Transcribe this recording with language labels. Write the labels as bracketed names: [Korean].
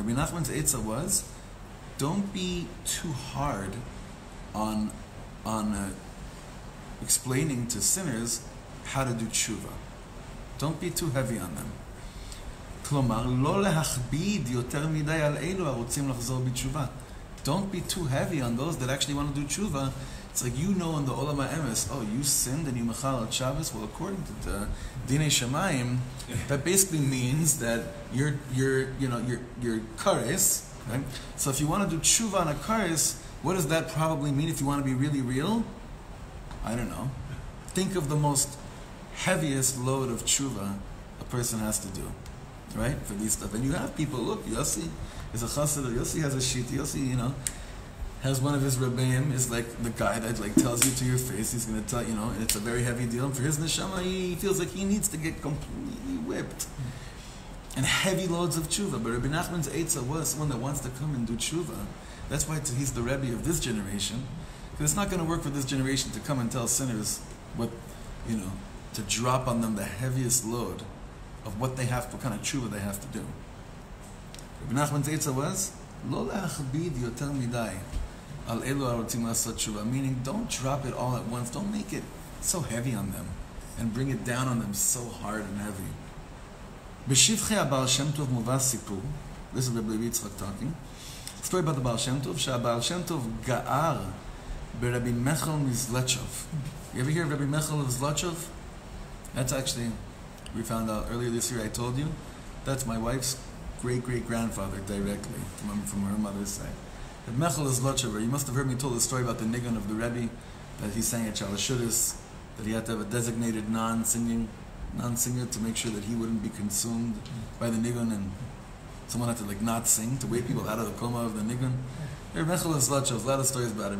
[English] רבי נחמן's answer was, don't be too hard on explaining to sinners how to do תשובה. Don't be too heavy on them. [Hebrew] כלומר, לא להכביד יותר מדי על אלו הרוצים לחזור בתשובה. [English] Don't be too heavy on those that actually want to do תשובה. It's like you know in the Olam HaEmes, oh, you sinned and you mechal at Shabbos. Well, according to the Dinei Shemayim, that basically means that you're kares, right? So if you want to do tshuva on a kares, what does that probably mean if you want to be really real? I don't know. Think of the most heaviest load of tshuva a person has to do, right? For these stuff. And you have people, look, Yossi is a chassid, Yossi has a shit, Yossi, you know. Has one of his rabbeim is like the guy that like tells you to your face he's gonna tell you know and it's a very heavy deal and for his neshama he feels like he needs to get completely whipped and heavy loads of tshuva. But Rabbi Nachman's etza was someone that wants to come and do tshuva. That's why he's the rebbe of this generation, because it's not gonna work for this generation to come and tell sinners what you know to drop on them the heaviest load of what they have, what kind of tshuva they have to do. Rabbi Nachman's etza was [Hebrew] לא להכביד יותר מדי על אלו הרוצים לעשות תשובה. [English] Meaning, don't drop it all at once. Don't make it so heavy on them and bring it down on them so hard and heavy. [Hebrew] בשבחי הבעל שם טוב מובא סיפור. [English] This is Reb Levi Yitzchak talking. Story about the [Hebrew] בעל שם טוב, שהבעל שם טוב גער ברבי מיכל מזלצ'וב. [English] You ever hear of Rabbi Mechel of Zlotchov? That's actually, we found out earlier this year, I told you, that's my wife's great-great-grandfather, directly, from her mother's side. Reb Mechel is Lotchever. You must have heard me tell the story about the niggun of the Rebbe, that he sang at Chalashudis, that he had to have a designated non-singer to make sure that he wouldn't be consumed by the niggun, and someone had to like not sing to wake people out of the coma of the niggun. Reb Mechel is Lotchever. A lot of stories about him.